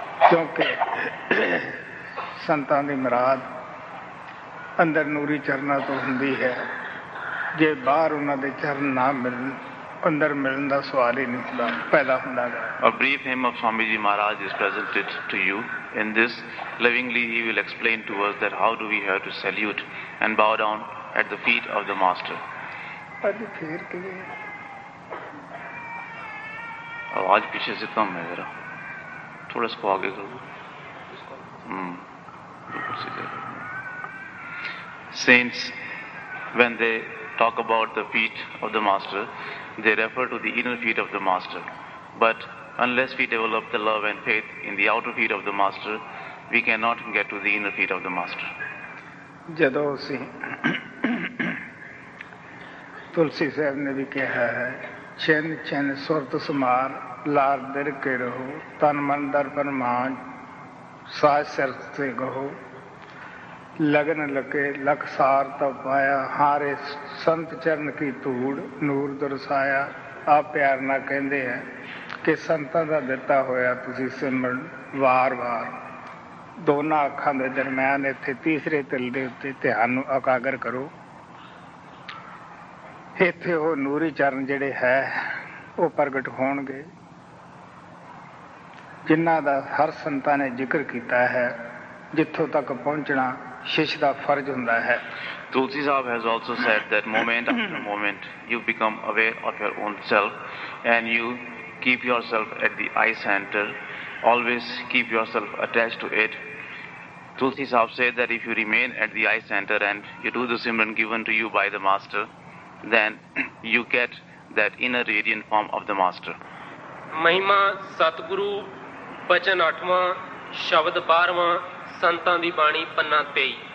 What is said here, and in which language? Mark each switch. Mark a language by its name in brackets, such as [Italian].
[Punjabi] ਕਿਉਂਕਿ ਸੰਤਾਂ ਦੀ ਮੁਰਾਦ ਅੰਦਰ ਨੂਰੀ ਚਰਨਾਂ ਤੋਂ ਹੁੰਦੀ ਹੈ। ਜੇ ਬਾਹਰ ਉਹਨਾਂ ਦੇ ਚਰਨ ਨਾ ਮਿਲਣ, ਅੰਦਰ ਮਿਲਣ ਦਾ ਸਵਾਲ ਹੀ ਨਹੀਂ ਹੁੰਦਾ, ਪੈਦਾ ਹੁੰਦਾ ਹੈ। [English] A brief hymn of Swami Ji Maharaj is presented to you. In this, lovingly he will explain to us that how do we have to salute and bow down at the feet of the Master. [Punjabi] ਅੱਜ ਫੇਰ ਕਿਵੇਂ [Hindi] ਆਵਾਜ਼ ਪਿੱਛੇ ਸੇ ਕਮ ਹੈ ਜ਼ਰਾ, ਥੋੜ੍ਹਾ ਸਕੋ ਆਗੇ ਕਰੋ। [English] Saints, when they talk about the feet of the Master, they refer to the inner feet of the Master. But unless we develop the love and faith in the outer feet of the Master, we cannot get to the inner feet of the Master. [Punjabi] ਜਦੋਂ ਅਸੀਂ ਤੁਲਸੀ ਸਾਹਿਬ ਨੇ ਵੀ ਕਿਹਾ ਹੈ, ਛਿੰਨ ਛਿੰਨ ਸੁਰਤ ਸਮਾਰ ਲਾਲ ਦਿਰ ਕੇ ਰਹੋ, ਤਨ ਮਨ ਦਰ ਪਰਮਾਨ ਸਾਜ ਸਿਰ ਤੇ ਗਹੋ, ਲਗਨ ਲੱਗੇ ਲਖ ਸਾਰ ਤਾਂ ਪਾਇਆ, ਹਾਰੇ ਸੰਤ ਚਰਨ ਕੀ ਧੂੜ ਨੂਰ ਦਰਸਾਇਆ। ਆਹ ਪਿਆਰ ਨਾਲ ਕਹਿੰਦੇ ਹੈ ਕਿ ਸੰਤਾਂ ਦਾ ਦਿੱਤਾ ਹੋਇਆ ਤੁਸੀਂ ਸਿਮਰਨ ਵਾਰ ਵਾਰ ਦੋਨਾਂ ਅੱਖਾਂ ਦੇ ਦਰਮਿਆਨ ਇੱਥੇ ਤੀਸਰੇ ਤਿਲ ਦੇ ਉੱਤੇ ਧਿਆਨ ਨੂੰ ਇਕਾਗਰ ਕਰੋ। ਇੱਥੇ ਉਹ ਨੂਰੀ ਚਰਨ ਜਿਹੜੇ ਹੈ ਉਹ ਪ੍ਰਗਟ ਹੋਣਗੇ, ਜਿਨ੍ਹਾਂ ਦਾ ਹਰ ਸੰਤਾਂ ਨੇ ਜ਼ਿਕਰ ਕੀਤਾ ਹੈ, ਜਿੱਥੋਂ ਤੱਕ ਪਹੁੰਚਣਾ ਸ਼ਿਸ਼ ਦਾ ਫਰਜ਼ ਹੁੰਦਾ ਹੈ। [English] Tulsi sahab has also said that moment after moment you become aware of your own self and you keep yourself at the eye center, always keep yourself attached to it. Tulsi sahab said that if you remain at the eye center and you do the simran given to you by the Master, then you get that inner radiant form of the Master. [Punjabi] Mahima Satguru Bachan 8va Shabd 12va ਸੰਤਾਂ ਦੀ ਬਾਣੀ ਪੰਨਾ 23।